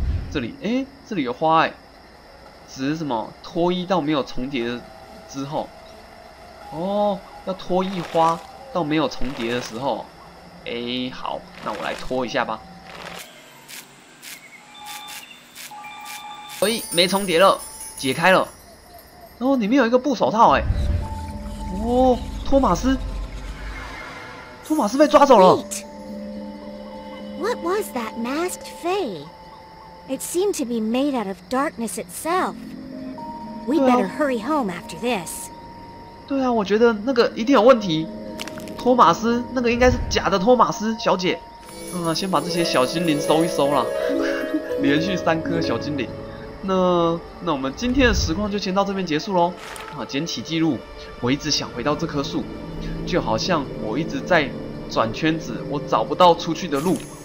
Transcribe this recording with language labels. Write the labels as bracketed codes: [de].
[zh] 这里，哎，这里有花哎，只是什么脱衣到没有重叠的之后，哦，要脱衣花到没有重叠的时候，哎，好，那我来脱一下吧。哎，没重叠了，解开了，哦，里面有一个布手套哎，哦，托马斯被抓走了。 [en] What was that masked fae? It seemed to be made out of darkness itself. We better hurry home after this. [zh] 对啊，我觉得那个一定有问题。托马斯，那个应该是假的托马斯小姐。先把这些小精灵搜一搜啦。连续三颗小精灵。那我们今天的实况就先到这边结束咯。啊，捡起记录，我一直想回到这棵树，就好像我一直在转圈子，我找不到出去的路。